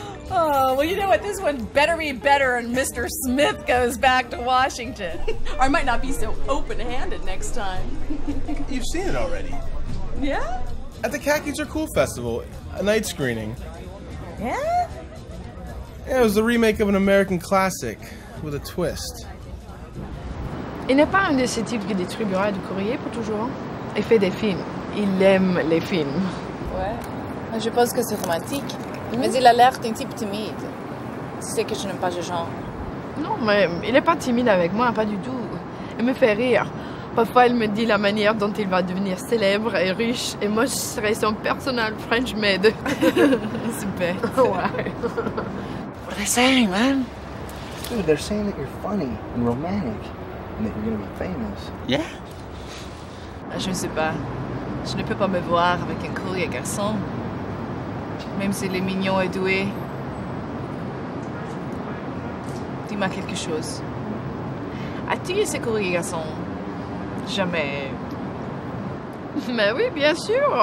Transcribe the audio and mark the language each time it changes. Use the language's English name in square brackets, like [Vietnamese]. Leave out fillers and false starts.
[English] Oh, well, you know what? This one better be better than Mr. Smith Goes Back to Washington. Or I might not be so open-handed next time. You've seen it already. Yeah? At the Khakis Are Cool Festival, a night screening. Yeah? It was the remake of an American classic, with a twist. [French] Il n'est pas un de ces types qui distribuera du courrier pour toujours. Il fait des films. Il aime les films. Ouais. Je pense que c'est romantique. Mm-hmm. Mais il a l'air d'un type timide. Tu sais que je n'aime pas ce genre. Non, mais il n'est pas timide avec moi, pas du tout. Il me fait rire. Parfois, il me dit la manière dont il va devenir célèbre et riche, et moi, je serai son [English] personal French maid. [French] C'est bête. Ouais. [English] What are they saying, man? Dude, they're saying that you're funny and romantic, and that you're gonna be famous. Yeah? [French] Je ne sais pas. Je ne peux pas me voir avec un courrier garçon. Même s'il est mignon et doué. Dis-moi quelque chose. As-tu eu ce courrier garçon? Jamais. Mais oui, bien sûr.